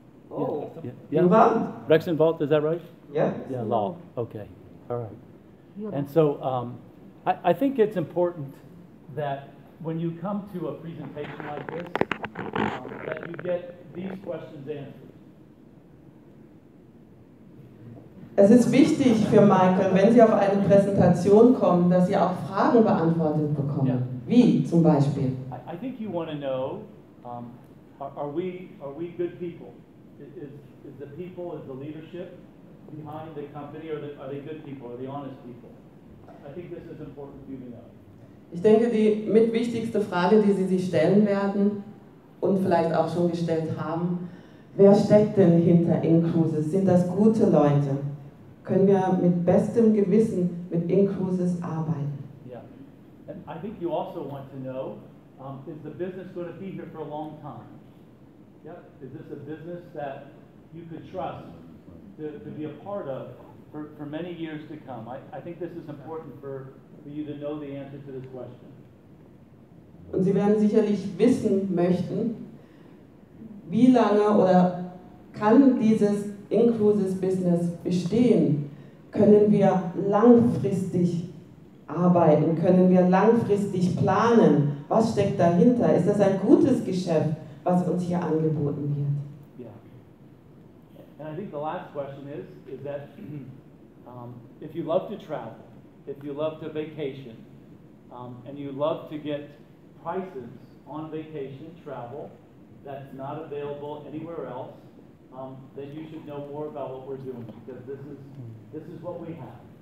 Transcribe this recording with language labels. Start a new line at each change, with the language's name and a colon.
English: Oh. Yeah. Yeah. Yeah. Rexinwald, is that right? Yeah. Yeah. Law. Okay. All right. And so I think it's important that when you come to a presentation like this, that you get these questions answered.
German: Es ist wichtig für Michael, wenn Sie auf eine Präsentation kommen, dass Sie auch Fragen beantwortet bekommen.
English: Yeah.
German: Wie zum Beispiel?
English: I think you want to know, are we good people? Is the people, is the leadership behind the company, or are they good people, are they honest people? I think this is important for you to know.
German: Ich denke, die mitwichtigste Frage, die Sie sich stellen werden und vielleicht auch schon gestellt haben, wer steckt denn hinter Incruises? Sind das gute Leute? Können wir mit bestem Gewissen mit Incruises arbeiten?
English: Yeah. And I think you also want to know, is the business going to be here for a long time? Yep. Is this a business that you could trust to be a part of for many years to come? I think this is important for you to know the answer to this question.
German: Und Sie werden sicherlich wissen möchten, wie lange oder kann dieses Incruises Business bestehen? Können wir langfristig arbeiten? Können wir langfristig planen? Was steckt dahinter? Ist das ein gutes Geschäft, was uns hier angeboten wird?
English: And I think the last question is that if you love to travel, if you love to vacation, and you love to get prices on vacation travel that's not available anywhere else, then you should know more about what we're doing, because this is what we have.